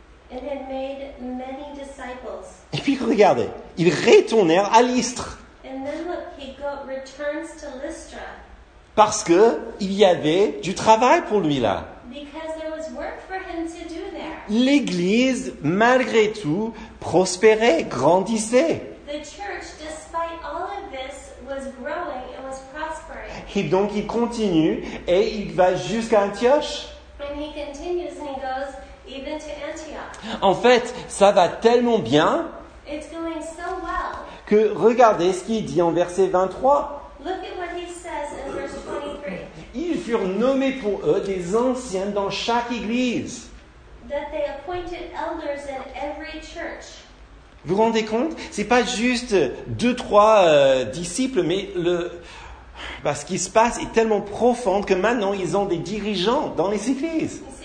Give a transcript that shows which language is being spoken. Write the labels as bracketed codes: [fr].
[en] And had made many disciples. [fr] Et puis regardez, ils retournèrent à Lystre. [en] And then look, he got returns to Lystra. [fr] Parce que il y avait du travail pour lui là. [en] Because there was work for him to do there. [fr] L'église, malgré tout, prospérait, grandissait. [en] The church, despite all of this, was growing. [fr] Et donc, il continue et il va jusqu'à Antioche. [en] And he continues and he goes even to Antioch. [fr] En fait, ça va tellement bien. [en] It's going so well. [fr] Que regardez ce qu'il dit en verset 23. [en] Look at what he says in verse 23. [fr] Ils furent nommés pour eux des anciens dans chaque église. [en] That they appointed elders in every church. [fr] Vous vous rendez compte? C'est pas juste deux, trois disciples, mais le... Parce qu'il se passe est tellement profond que maintenant ils ont des dirigeants dans les églises.